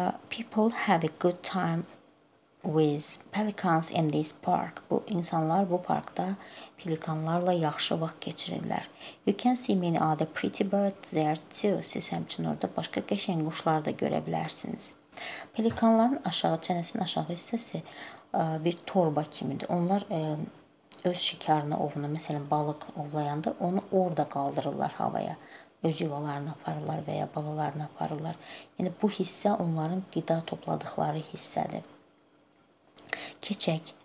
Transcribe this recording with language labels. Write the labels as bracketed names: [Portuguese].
[English] People have a good time with pelicans in this park. [Azerbaijani] Bu insanlar bu parkda pelikanlarla yaxşı vaxt keçirirlər. [English] You can see many other pretty birds there too. [Azerbaijani] Siz həmçin orada başqa qəşəng quşlar da görə bilərsiniz. Pelikanların aşağı çənəsinin aşağı hissəsi bir torba kimidir. Onlar öz şikarını, ovunu, məsələn, balıq ovlayanda onu orada qaldırırlar havaya. Öz yuvalarını aparırlar və ya balalarını aparırlar. Yəni, bu hissə onların qida topladıqları hissədir. Keçək.